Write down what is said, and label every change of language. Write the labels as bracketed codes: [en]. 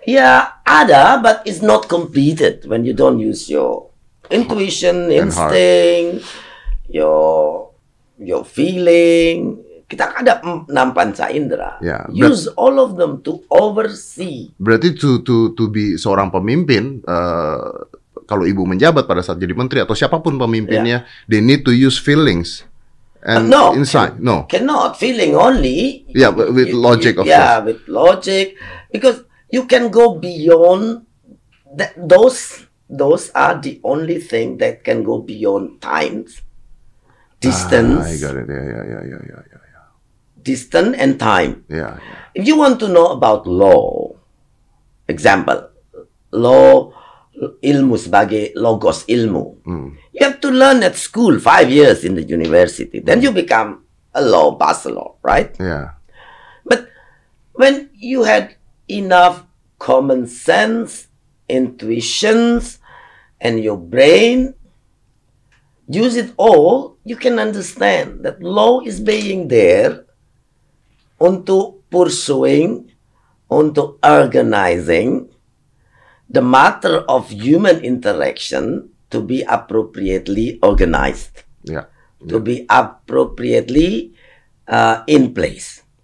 [en] Yeah, [id] ada, [en] but it's not completed when you don't use your intuition, instinct, your feeling. [id] Kita kan ada 6 panca indera. [en] Yeah, use all of them to oversee. [id] Berarti [en] to be [id] seorang pemimpin. Kalau ibu menjabat pada saat jadi menteri atau siapapun pemimpinnya, yeah. [en] they need to use feelings and insight. No, cannot feeling only. Yeah, with logic of course. Yeah, with logic, because you can go beyond that. Those are the only thing that can go beyond times, distance. I got it. Yeah. Distance and time. Yeah. If you want to know about law, example, law. [id] Ilmu sebagai logos ilmu. [en] You have to learn at school 5 years in the university. Then you become a law bachelor, right? Yeah. But when you had enough common sense, intuitions, and your brain, use it all, you can understand that law is being there [id] untuk [en] pursuing, untuk organizing the matter of human interaction to be appropriately organized, to be appropriately in place.